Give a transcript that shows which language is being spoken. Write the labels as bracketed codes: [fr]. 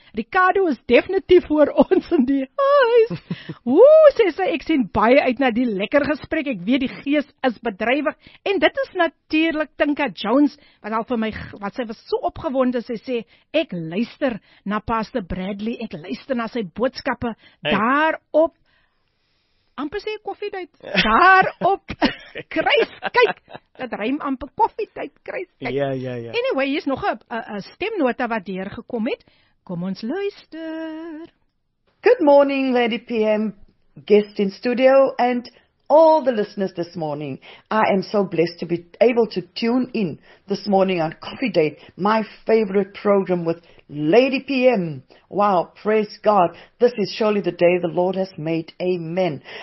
[af] Ricardo is definitief voor ons in die huis. Oeh, sê sy, ek sien baie uit na die lekker gesprek, ek weet die gees is bedrywig. En dit is natuurlik Tinka Jones, wat al vir my, wat sy was so opgewonde, sy sê, ek luister na Pastor Bradley, ek luister na sy boodskappe, daarop, amper sê koffietijd, daarop, kruis, kyk, dat ruim amper koffietijd, kruis, kyk. Ja. Anyway, hier is nog een stemnota wat deurgekom het, kom ons luister. [en] Good morning, Lady PM, guest in studio, and all the listeners this morning, I am so blessed to be able to tune in this morning on Coffee Date, my favorite program with Lady PM. Wow, praise God. This is surely the day the Lord has made. Amen.